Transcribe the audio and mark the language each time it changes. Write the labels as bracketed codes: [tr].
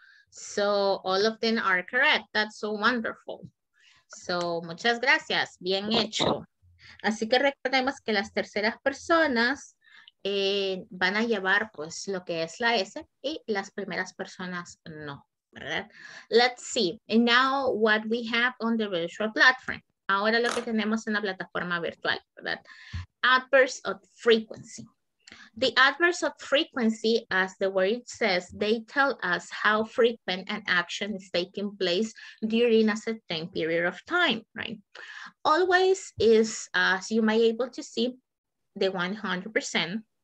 [en] So all of them are correct. That's so wonderful. [es] So muchas gracias. Bien hecho. Así que recordemos que las terceras personas van a llevar pues lo que es la S y las primeras personas no, ¿verdad? [en] Let's see. And now what we have on the virtual platform. [es] Ahora lo que tenemos en la plataforma virtual, ¿verdad? [en] Adverbs of frequency. The adverbs of frequency, as the word says, they tell us how frequent an action is taking place during a certain period of time, right? Always is, as you may be able to see, the 100%.